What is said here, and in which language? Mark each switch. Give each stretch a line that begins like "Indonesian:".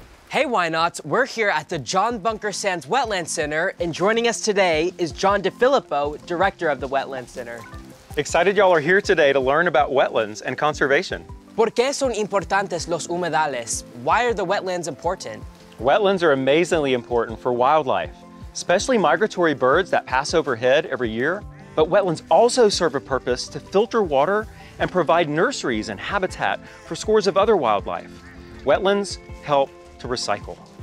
English: Hey Whynauts, we're here at the John Bunker Sands Wetland Center, and joining us today is John DeFilippo, director of the Wetland Center. Excited y'all are here today to learn about wetlands and conservation.
Spanish: ¿Por qué son importantes los humedales?
English: Why are the wetlands important? Wetlands are amazingly important for wildlife, especially migratory birds that pass overhead every year. But wetlands also serve a purpose to filter water and provide nurseries and habitat for scores of other wildlife. Wetlands help to recycle.